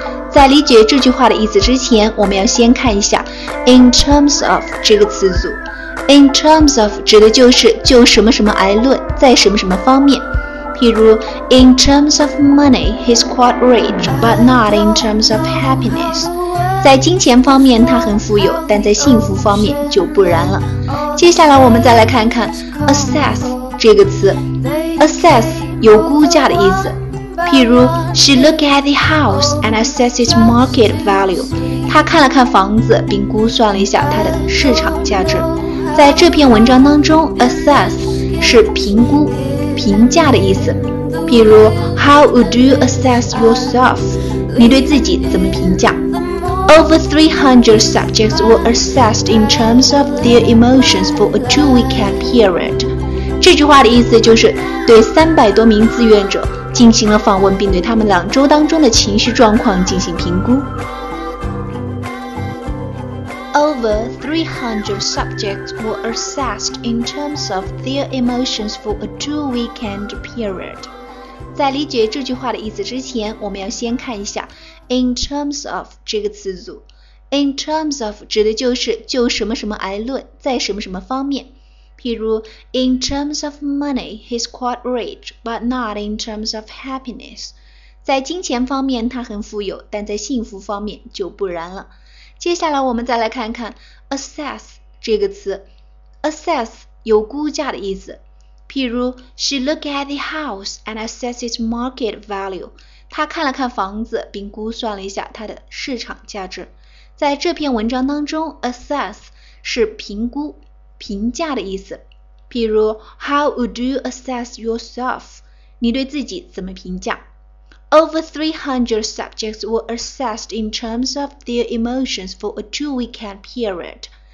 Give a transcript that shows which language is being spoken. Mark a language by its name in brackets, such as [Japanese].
[Chinese] 在理解这句话的意思之前，我们要先看一下 in terms of 这个词组。 in terms of 指的就是就什么什么而论，在什么什么方面。 [English] 譬如 in terms of money, he's quite rich, but not in terms of happiness. [Chinese] 在金钱方面他很富有，但在幸福方面就不然了。接下来我们再来看看 assess 这个词。 [English] assess [Chinese] 有估价的意思，譬如 [English] she looked at the house and assessed its market value. [Chinese] 她看了看房子并估算了一下它的市场价值。在这篇文章当中， assess 是评估、评价的意思。譬如 [English] how would you assess yourself? [Chinese] 你对自己怎么评价？ [English] Over 300 subjects were assessed in terms of their emotions for a two-week period. [Chinese] 这句话的意思就是对300多名志愿者进行了访问，并对他们两周当中的情绪状况进行评估。 [English] Over 300 subjects were assessed in terms of their emotions for a two-weekend period. [Chinese] 在理解这句话的意思之前，我们要先看一下 in terms of 这个词组。 In terms of 指的就是就什么什么而论，在什么什么方面。 [English] 譬如 in terms of money, he's quite rich, but not in terms of happiness. [Chinese] 在金钱方面他很富有，但在幸福方面就不然了。接下来我们再来看看 assess 这个词。 assess 有估价的意思。 [English] 譬如 she looked at the house and assessed its market value. [Chinese] 她看了看房子并估算了一下它的市场价值。在这篇文章当中， assess 是评估、评价的意思。譬如 [English] How would you assess yourself? [Chinese] 你对自己怎么评价？ [English] Over 300 subjects were assessed in terms of their emotions for a two-weekend period.